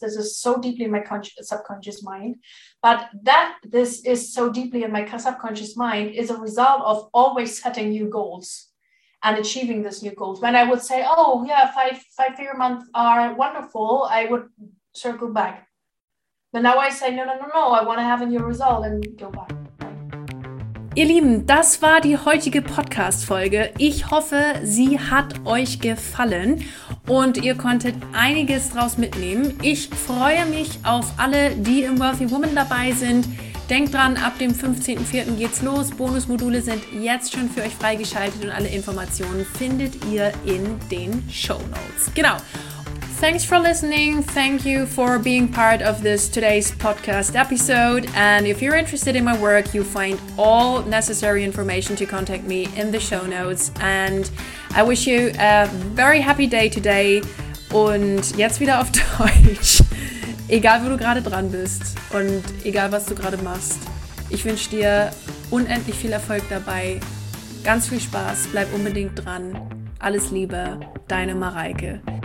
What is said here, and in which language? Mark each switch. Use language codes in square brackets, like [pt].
[en] This is so deeply in my subconscious mind. But that this is so deeply in my subconscious mind is a result of always setting new goals and achieving these new goals. When I would say, oh, yeah, five-figure months are wonderful, I would circle back. But now I say, no, I want to have a new result and go back. [de] Ihr Lieben, das war die heutige Podcast-Folge. Ich hoffe, sie hat euch gefallen und ihr konntet einiges draus mitnehmen. Ich freue mich auf alle, die im Wealthy Woman dabei sind. Denkt dran, ab dem 15.04. geht's los. Bonusmodule sind jetzt schon für euch freigeschaltet und alle Informationen findet ihr in den Shownotes. [en] Genau. Thanks for listening. Thank you for being part of this today's podcast episode. And if you're interested in my work, you find all necessary information to contact me in the show notes. And I wish you a very happy day today. [de] Und jetzt wieder auf Deutsch. Egal, wo du gerade dran bist und egal, was du gerade machst, ich wünsche dir unendlich viel Erfolg dabei. Ganz viel Spaß. Bleib unbedingt dran. Alles Liebe. Deine Mareike.